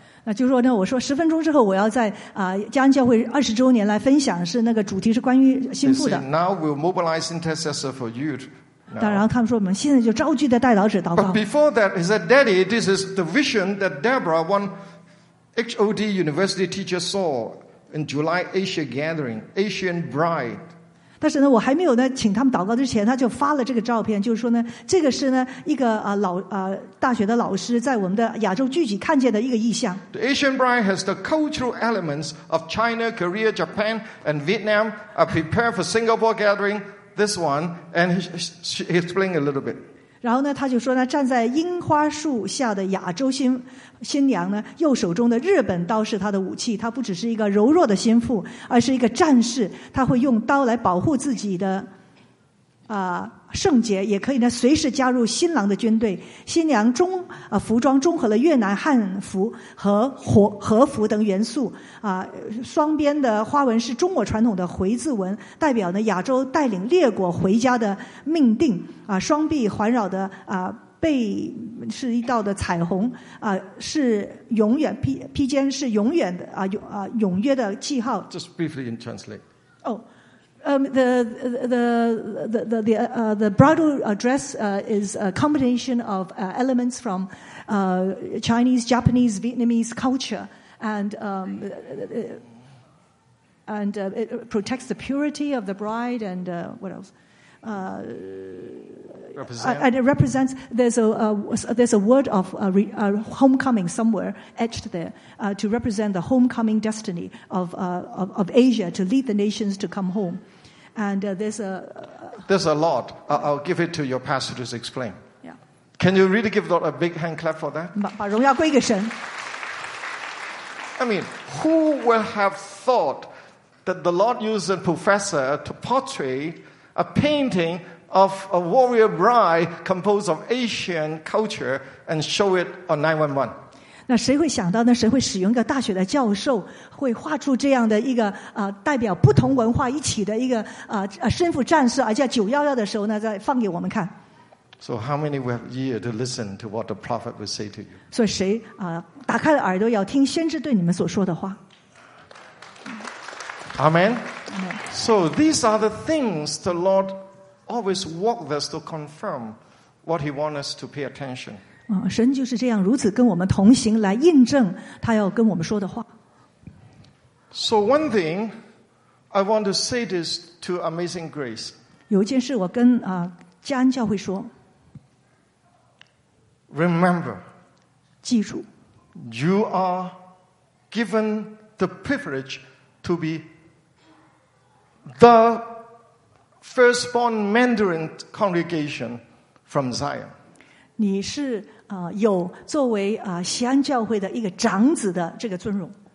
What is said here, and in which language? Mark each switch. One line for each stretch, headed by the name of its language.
Chinese: 那就说呢，我说十分钟之后，我要在加恩教会20周年来分享，是那个主题是关于新妇的。
English: Now we'll mobilize intercessor for you.
Chinese: 但然后他们说，我们现在就召集的代祷者祷告。
English: But before that, he said, Daddy, this is the vision that Deborah, one HOD university teacher, saw. In July Asia Gathering, Asian Bride.
Chinese: 但是呢，我还没有呢，请他们祷告之前，他就发了这个照片，就是说呢，这个是呢一个大学的老师在我们的亚洲聚集看见的一个意象。
English: The Asian Bride has the cultural elements of China, Korea, Japan, and Vietnam. I prepare for Singapore Gathering this one, and he explained a little bit.
Chinese: 然后呢，他就说呢，站在樱花树下的亚洲新娘呢，右手中的日本刀是他的武器。他不只是一个柔弱的心腹，而是一个战士。他会用刀来保护自己的圣洁，也可以呢随时加入新郎的军队。新娘中服装中和了越南汉服和和服等元素双边的花纹是中国传统的回字纹，代表呢亚洲带领列国回家的命定双臂环绕的背是一道的彩虹是永远披肩是永远的永约的记号。
English: Just briefly in translate. Oh. The bridal dress is a combination of elements from Chinese, Japanese, Vietnamese culture, and it protects the purity of the bride and what else? And it represents there's a word of homecoming somewhere etched there to represent the homecoming destiny of Asia to lead the nations to come home. And there's a lot. I'll give it to your pastor to explain. Yeah. Can you really give God a big hand clap for that?
Chinese: 把荣耀归给神。
English: I mean, who would have thought that the Lord used a professor to portray a painting of a warrior bride composed of Asian culture and show it on 911?
Chinese: 那谁会想到呢？谁会使用一个大学的教授会画出这样的一个代表不同文化一起的一个身负战士，而且911的时候呢再放给我们看。
English: So how many have ear to listen to what the prophet would say to you?
Chinese: 所以谁打开了耳朵要听先知对你们所说的话。
English: Amen. So these are the things the Lord always walked us to confirm what he wants us to pay attention.
Chinese: 神就是这样如此跟我们同行来印证他要跟我们说的话。
English: So one thing I want to say this to Amazing Grace.
Chinese: 有一件事我跟加恩教会说。
English: Remember,
Chinese: 记住
English: you are given the privilege to be the firstborn Mandarin congregation from Zion.
Chinese: 你是有作为锡安教会的一个长子的这个尊荣。